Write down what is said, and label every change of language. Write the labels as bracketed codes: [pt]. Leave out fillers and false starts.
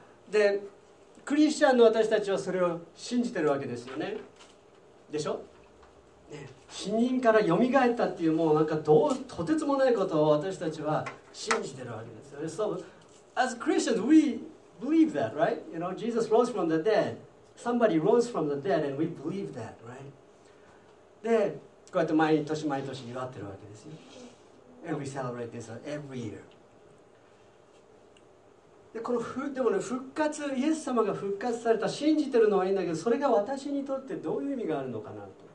[ja] で、クリスチャンの私たちはそれを信じてるわけですよね。でしょ？ね、死人から蘇ったっていう、もうなんかどう、とてつもないことを私たちは信じてるわけですよね。 [en] So, as Christians, we believe that, right? You know, Jesus rose from the dead. Somebody rose from the dead and we believe that, right? [ja] で、こうやって毎年祝ってるわけですよ。 [en] And we celebrate this every year. [ja] で、このでもね、復活、イエス様が復活された、信じてるのはいいんだけど、それが私にとってどういう意味があるのかなと。